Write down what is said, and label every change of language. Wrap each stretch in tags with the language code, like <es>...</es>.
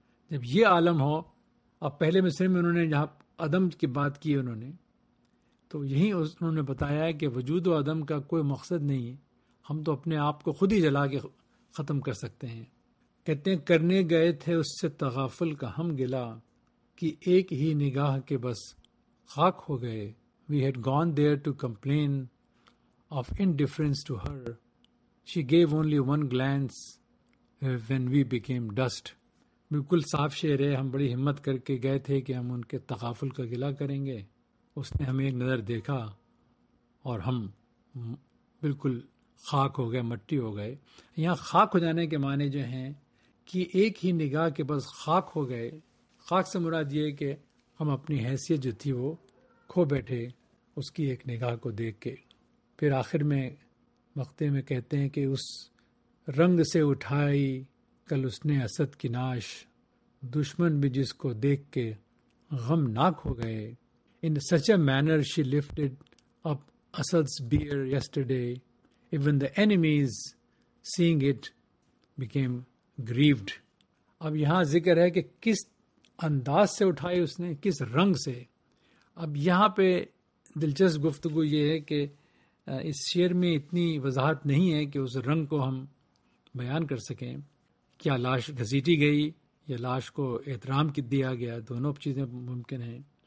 <ur>جب یہ عالم ہو, اب پہلے مصرے میں انہوں نے جہاں عدم کی بات کی انہوں نے, تو یہیں انہوں نے بتایا ہے کہ وجود و عدم کا کوئی مقصد نہیں ہے, ہم تو اپنے آپ کو خود ہی جلا کے ختم کر سکتے ہیں. کہتے ہیں کرنے گئے تھے اس سے تغافل کا ہم گلا, کہ ایک ہی نگاہ کے بس خاک ہو گئے.</ur> <en>We had gone there to complain of indifference to her, she gave only one glance when we became dust.</en> <ur>بالکل صاف شعر ہے, ہم بڑی ہمت کر کے گئے تھے کہ ہم ان کے تغافل کا گلا کریں گے, اس نے ہمیں ایک نظر دیکھا اور ہم بالکل خاک ہو گئے, مٹی ہو گئے. یہاں خاک ہو جانے کے معنی جو ہیں کہ ایک ہی نگاہ کے بس خاک ہو گئے. خاک سے مراد یہ کہ ہم اپنی حیثیت جو تھی وہ کھو بیٹھے اس کی ایک نگاہ کو دیکھ کے. پھر آخر میں مقطع میں کہتے ہیں کہ اس رنگ سے اٹھائی کل اس نے اسد کی ناش, دشمن بھی جس کو دیکھ کے غمناک ہو گئے.</ur> <en>In such a manner she lifted up Asad's bier yesterday, even the enemies seeing it became grieved.</en> <ur>اب یہاں ذکر ہے کہ کس انداز سے اٹھائی اس نے, کس رنگ سے. اب یہاں پہ دلچسپ گفتگو یہ ہے کہ اس شعر میں اتنی وضاحت نہیں ہے کہ اس رنگ کو ہم بیان کر سکیں. کیا لاش گھسیٹی گئی یا لاش کو احترام کی دیا گیا, دونوں چیزیں ممکن ہیں.</ur>